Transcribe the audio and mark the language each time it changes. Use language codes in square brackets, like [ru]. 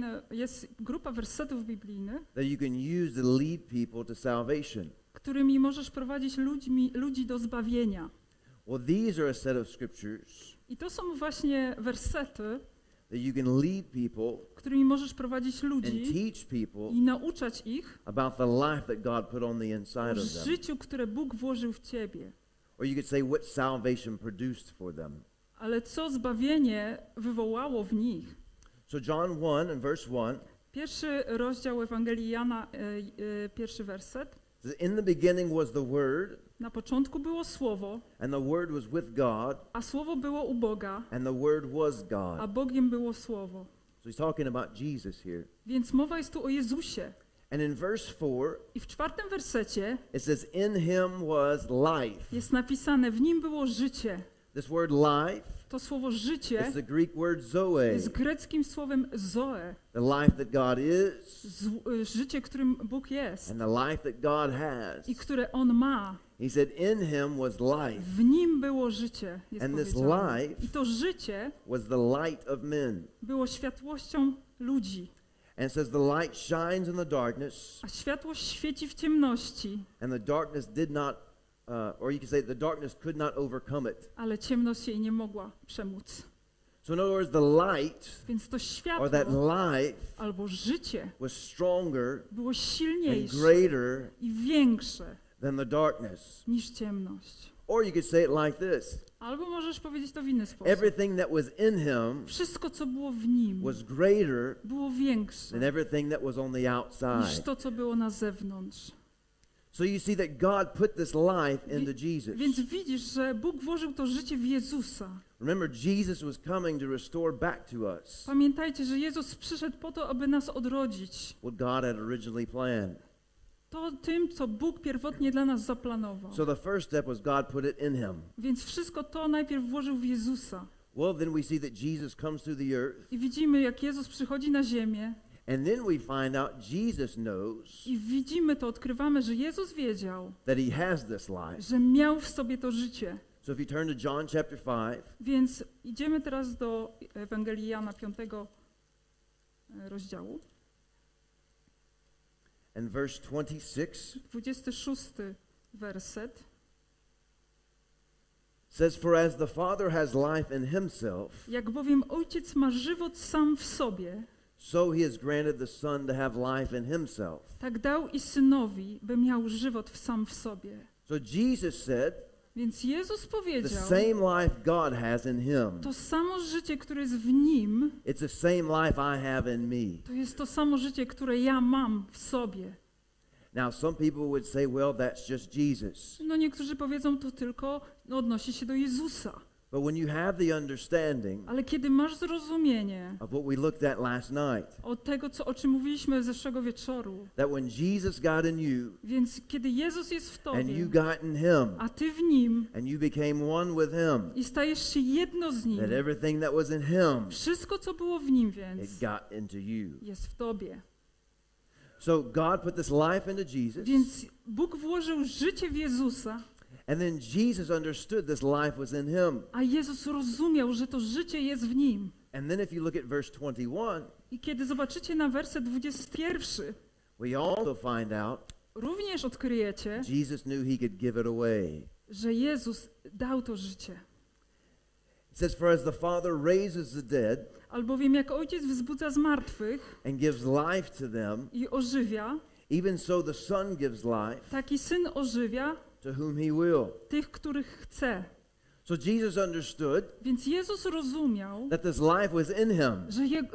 [pl] Jest grupa wersetów biblijnych, [en] you can use to lead people to salvation. [pl] Którymi możesz prowadzić ludzi do zbawienia. [en] Well, these are a set of scriptures. [pl] I to są właśnie wersety, [en] that you can lead people, [pl] którymi możesz prowadzić ludzi [en] and teach people [pl] i nauczać ich [en] about the life that God put on the inside of them. [pl] O życiu, które Bóg włożył w ciebie. [en] Or you could say what salvation produced for them. [pl] Ale co zbawienie wywołało w nich? [en] So John 1 and verse 1. [pl] Pierwszy rozdział Ewangelii Jana, pierwszy werset. [en] In the beginning was the word. [pl] Na początku było słowo. [en] And the word was with God. [pl] A słowo było u Boga. [en] And the word was God. [pl] A Bogiem było słowo. [en] So he's talking about Jesus here. [pl] Więc mowa jest tu o Jezusie. [en] And in verse 4. [pl] I w czwartym wersecie. [en] It says in him was life. [pl] Jest napisane w nim było życie. [en] This word life. [pl] To słowo życie [en] is the Greek word zoe. [pl] Jest greckim słowem zoe. [en] The life that God is. [pl] Życie, którym Bóg jest. [en] And the life that God has. [pl] I które On ma. [en] He said in him was life. [pl] W nim było życie. [en] And this life. [pl] I to życie [en] was the light of men. [pl] Było światłością ludzi. [en] And it says the light shines in the darkness. [pl] A światło świeci w ciemności. [en] And the darkness did not or you could say the darkness could not overcome it. [pl] Ale ciemność jej nie mogła przemóc. [en] So in other words, the light, [pl] więc to światło, [en] or that life, [pl] albo życie, [en] was stronger, [pl] było silniejsze, [en] and greater, [pl] i większe, [en] than the darkness. [pl] Niż ciemność. [en] Or you could say it like this. [pl] Albo możesz powiedzieć to w inny sposób. [en] Everything that was in him, [pl] wszystko co było w nim, [en] was greater, [pl] było większe, [en] than everything that was on the outside. [pl] Niż to co było na zewnątrz. [en] So you see that God put this life into Jesus. [pl] Więc widzisz, że Bóg włożył to życie w Jezusa. [en] Remember, Jesus was coming to restore back to us. [pl] Pamiętajcie, że Jezus przyszedł po to, aby nas odrodzić. [en] What God had originally planned. [pl] To tym, co Bóg pierwotnie dla nas zaplanował. [en] So the first step was God put it in him. [pl] Więc wszystko to najpierw włożył w Jezusa. [en] Well, then we see that Jesus comes through the earth. [pl] I widzimy, jak Jezus przychodzi na ziemię. [en] And then we find out Jesus knows. [pl] I widzimy to, odkrywamy, że Jezus wiedział. [en] That he has this life. [pl] Że miał w sobie to życie. [en] So if you turn to John chapter 5. [pl] Więc idziemy teraz do Ewangelii Jana 5 rozdziału. [en] And verse 26. [pl] 26 werset. [en] Says, for as the Father has life in himself. [pl] Jak bowiem Ojciec ma żywot sam w sobie. [en] So he has granted the Son to have life in himself. [pl] Tak dał i Synowi, by miał żywot sam w sobie. [en] So Jesus said, [pl] więc Jezus powiedział, [en] the same life God has in him. [pl] To samo życie, które jest w nim. [en] It's the same life I have in me. [pl] To jest to samo życie, które ja mam w sobie. [en] Now some people would say, well, that's just Jesus. [pl] No, niektórzy powiedzą, to tylko odnosi się do Jezusa. [en] But when you have the understanding, [pl] ale kiedy masz zrozumienie, [en] of what we looked at last night, [pl] od tego, co, o czym mówiliśmy zeszłego wieczoru, [en] that when Jesus got in you, [pl] więc kiedy Jezus jest w tobie, [en] and you got in him, [pl] a ty w nim, [en] and you became one with him, [pl] i stajesz się jedno z nim, [en] that everything that was in him, [pl] wszystko, co było w nim, więc, [en] it got into you, [pl] jest w tobie. [en] So God put this life into Jesus, [pl] więc Bóg włożył życie w Jezusa. [en] And then Jesus understood this life was in him. [pl] A Jezus rozumiał, że to życie jest w nim. [en] And then if you look at verse 21, [pl] i kiedy zobaczycie na werset 21, [en] we also find out, [pl] również odkryjecie, [en] Jesus knew he could give it away. [pl] Że Jezus dał to życie. [en] It says, for as the Father raises the dead, [pl] albowiem jak Ojciec wzbudza zmartwych, [en] and gives life to them, [pl] i ożywia, [en] even so the Son gives life, [pl] tak i Syn ożywia, [en] to whom he will. [pl] Tych, których chce. [en] So Jesus understood, [pl] więc Jezus rozumiał, [en] that this life was in him,